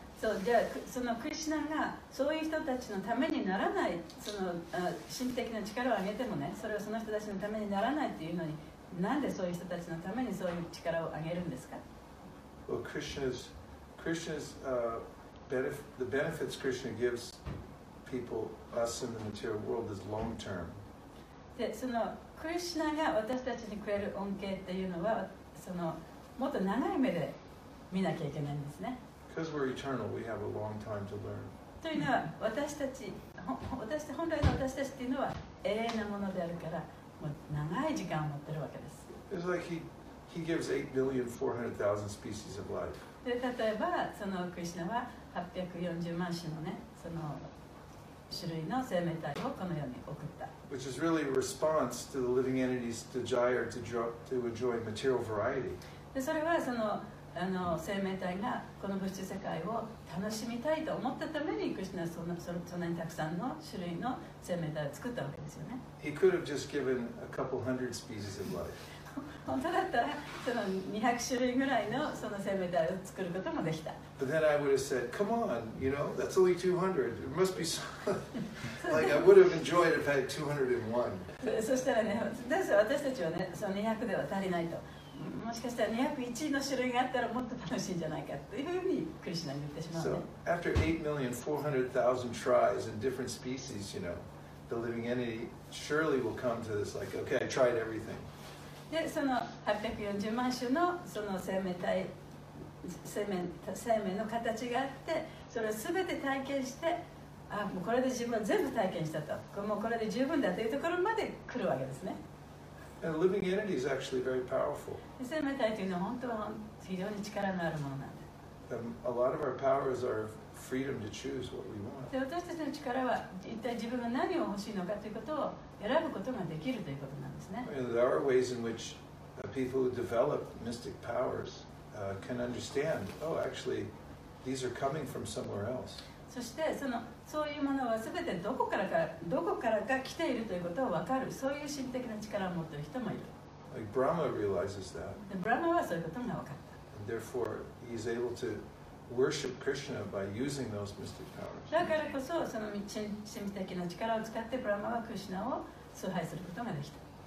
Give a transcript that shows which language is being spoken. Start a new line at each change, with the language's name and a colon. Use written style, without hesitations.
Japanese: そう、じゃあそのクリシュナがそういう人たちのためにならない、その神秘的な力を上げてもね、それはその人たちのためにならないっていうのに、なんでそういう人たちのためにそういう力を上げるんですか？
English: Well, Krishna's the benefits Krishna gives people, us in the material world, is long term.
Japanese: で、そのクリシュナが私たちにくれる恩恵っていうのは、そのもっと長い目で見なきゃいけないんですね。
English: Because we're eternal, we have a long time to learn.
Japanese: というのは私たち本来の私たちっていうのは永遠なものであるから、もう長い時間を持ってるわけです。
English: It's like he gives 8,400,000 species of life.
Japanese: で例えばそのクリシュナは840万種のね、その種類の生命体をこの世に送った。
English: Which is really a response to the living entity's desire to enjoy material variety.
Japanese: でそれはその生命体がこの物質世界を楽しみたいと思ったためにクリシュナはそんなにたくさんの種類の生命体を作ったわけですよね。
English: He could have just given a couple hundred species of life.
Japanese: 本当だったらその200種類ぐらいのその生命体を作ることもできた。
English: But then I would have said, come on, you know, that's only 200. It must be so. Like I would have enjoyed if I had 201.
Japanese: そしたらね、だから私たちはね、その200では足りないと。もしかしたら201の種類があったらもっと
English: So after 8,400,000 tries in different species, you know, the living entity surely will come to this, like, okay, I tried everything.
Japanese: で、その840万種のその生命体、生命の形があって、それを全て体験して、あ、もうこれで自分は全部体験したと、もうこれで十分だというところまで来るわけですね。
English: And a living entity is actually very powerful.
Japanese: 生命体というのは本当は非常に力のあるものなんで、
English: A lot of our powers are freedom to choose what we want.
Japanese: で、私たちの力は一体自分が何を欲しいのかということを選ぶことができるということなんですね。
English: I mean, there are ways in which people who develop mystic powers can understand, oh, actually, these are coming from somewhere else.
Japanese: そしてその、そういうものは全てどこからか来ているということを分かる、そういう神的な力を持っている人もいる。
English: Like Brahma realizes that.
Japanese: で、ブラマはそういうことが分かった。
English: And therefore, he is able to worship Krishna by using those mystic powers.
Japanese: だからこそ、その神秘的な力を使って、ブラマはクリシュナを崇拝することができた。